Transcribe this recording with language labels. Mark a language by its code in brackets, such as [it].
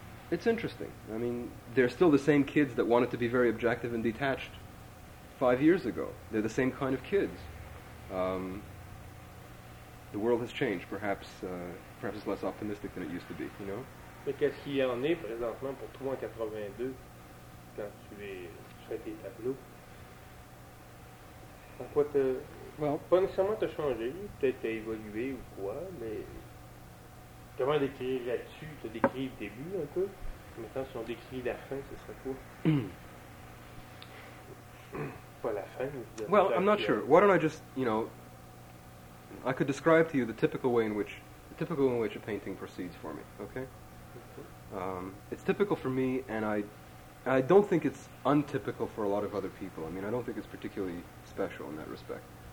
[en] It's interesting. I mean, they're still the same kids that wanted to be very objective and detached 5 years ago. They're the same kind of kids. The world has changed, perhaps... perhaps it's less optimistic than it used to be, you know? [fr] Mais qu'est-ce qu'il y en est présentement pour toi en 82, quand tu fais tes tableaux? En quoi t'as... [en] Well, [fr] pas nécessairement t'as changé, peut-être t'as évolué ou quoi, mais... Comment décrirais-tu? T'as décrit le début un peu? Maintenant, si on décrit la fin, ce serait quoi? Pas la fin. [en] finished. Well, I'm not sure. Why don't I just, you know, I could describe to you the typical way in which a painting proceeds for me. Okay. Mm-hmm. It's typical for me, and I don't think it's untypical for a lot of other people. I mean, I don't think it's particularly special in that respect.